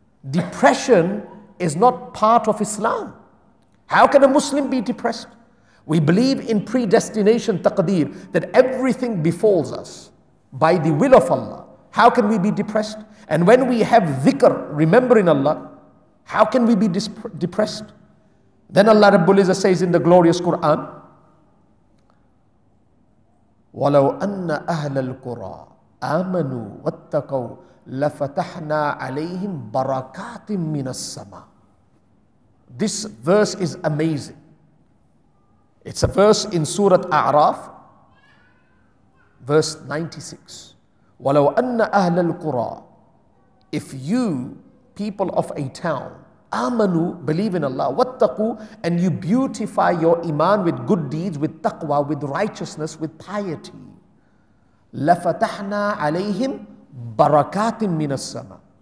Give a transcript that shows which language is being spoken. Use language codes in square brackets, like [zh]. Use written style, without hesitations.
[en] Depression is not part of Islam. How can a Muslim be depressed? We believe in predestination taqdeer, that everything befalls us by the will of Allah. How can we be depressed? And when we have dhikr, remembering Allah, how can we be depressed? Then Allah Rabbul Izzah says in the glorious Quran, [ar] وَلَوْ أَنَّ أَهْلَ الْقُرَىٰ آمَنُوا وَاتَّقَوْا لَفَتَحْنَا عَلَيْهِمْ بَرَكَاتٍ مِّنَ السَّمَاءِ. [en] This verse is amazing. It's a verse in Surah A'raf, verse 96. [ar] وَلَوْ أَنَّ أَهْلَ الْقُرَىٰ. [en] If you, people of a town, amanu, believe in Allah, wattaqu, and you beautify your iman with good deeds, with taqwa, with righteousness, with piety, [ar] lafatahna alayhim barakatim minas sama.